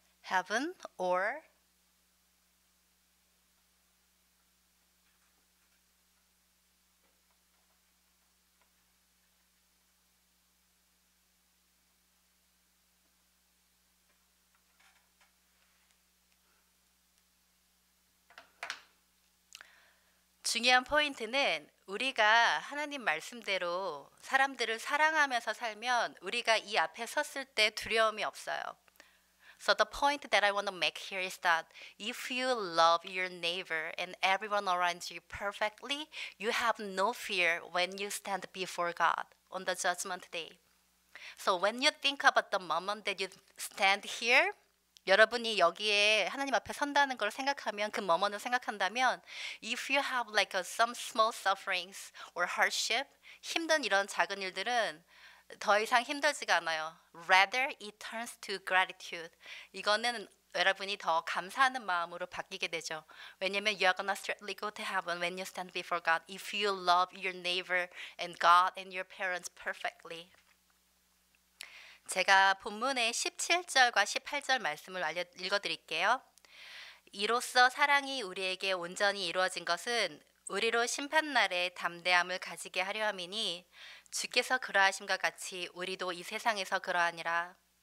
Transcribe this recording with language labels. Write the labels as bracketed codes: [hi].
[ko] 헤븐 or 중요한 포인트는 우리가 하나님 말씀대로 사람들을 사랑하면서 살면 우리가 이 앞에 섰을 때 두려움이 없어요. [en] So the point that I want to make here is that if you love your neighbor and everyone around you perfectly, you have no fear when you stand before God on the judgment day. So when you think about the moment that you stand here, [ko] 여러분이 여기에 하나님 앞에 선다는 걸 생각하면 그 moment을 생각한다면 [en] if you have like some small sufferings or hardship, [ko] 힘든 이런 작은 일들은 더 이상 힘들지가 않아요. [en] Rather, it turns to gratitude. [ko] 이거는 여러분이 더 감사하는 마음으로 바뀌게 되죠. 왜냐면 [en] you are gonna straightly go to heaven when you stand before God if you love your neighbor and God and your parents perfectly. [ko] 제가 본문의 17절과 18절 말씀을 읽어드릴게요. 이로써 사랑이 우리에게 온전히 이루어진 것은 우리로 심판날에 담대함을 가지게 하려 함이니 주께서 그러하심과 같이 우리도 이 세상에서 그러하니라.